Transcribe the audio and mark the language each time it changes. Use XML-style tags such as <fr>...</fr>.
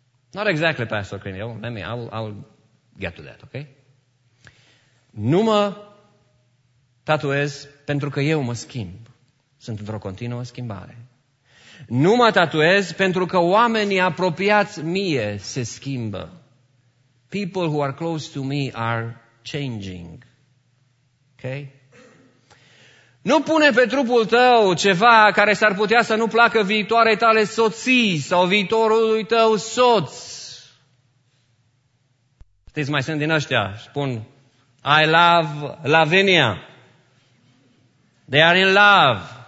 <en>Not exactly, Pastor Crineo. I'll get to that, okay?</en> <ro>Nu mă tatuez pentru că eu mă schimb. Sunt într-o continuă schimbare. Nu mă tatuez pentru că oamenii apropiați mie se schimbă.</ro> <en>People who are close to me are changing. Okay?</en> <ro>Nu pune pe trupul tău ceva care s-ar putea să nu placă viitoare tale soții sau viitorului tău soț. Știți, mai sunt din ăștia, spun,</ro> <en>I love Lavinia. They are in love.</en>